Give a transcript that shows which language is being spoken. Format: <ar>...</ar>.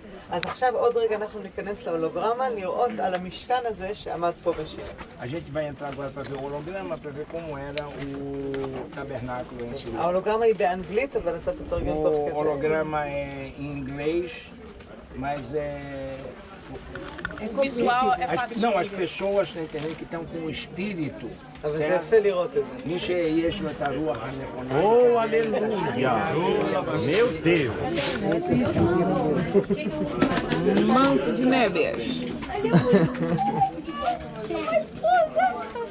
<he>אז עכשיו עוד רגע אנחנו ניכנס להולוגרמה, לראות על המשכן הזה שעמד פה בשיר.</he> <pt>A gente vai entrar agora para ver o holograma, para ver como era o tabernáculo em si.</pt> <he>ההולוגרמה היא באנגלית, אבל עשה את התרגום תוך כזה. ההולוגרמה היא אינגלית,</he> <pt>mas é... É como visual, é fácil. Não, as pessoas na internet que estão com o espírito. Oh, aleluia! Meu Deus! Manto de neve. Mas, pô, Zé, você</pt>